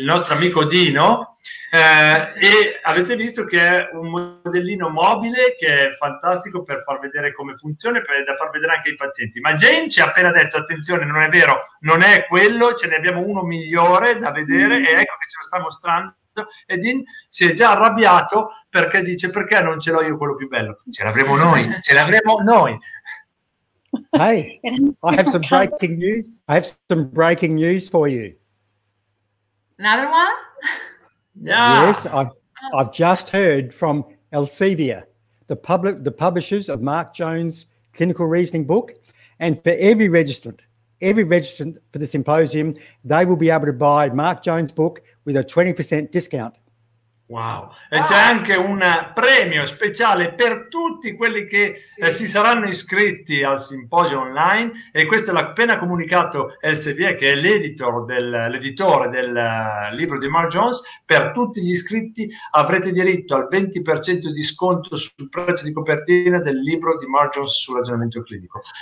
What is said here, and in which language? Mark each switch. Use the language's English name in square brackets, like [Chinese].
[Italian] amico Dino, e avete visto che è un modellino mobile che è fantastico per far vedere come funziona e da far vedere anche ai pazienti. Ma Jane ci ha appena detto: attenzione, non è vero, non è quello, ce ne abbiamo uno migliore da vedere, e ecco che ce lo sta mostrando. E Dean si è già arrabbiato perché dice: perché non ce l'ho io quello più bello? Ce l'avremo noi, ce l'avremo noi. [English] Hey, I have some breaking news for you. Another one? Yeah. Yes, I've just heard from Elsevier, the publishers of Mark Jones' clinical reasoning book, and for every registrant for the symposium, they will be able to buy Mark Jones' book with a 20% discount. [Italian] Wow, e c'è anche un premio speciale per tutti quelli che si saranno iscritti al simposio online, e questo l'ha appena comunicato Elsevier, che è l'editore del libro di Mark Jones. Per tutti gli iscritti avrete diritto al 20% di sconto sul prezzo di copertina del libro di Mark Jones sul ragionamento clinico.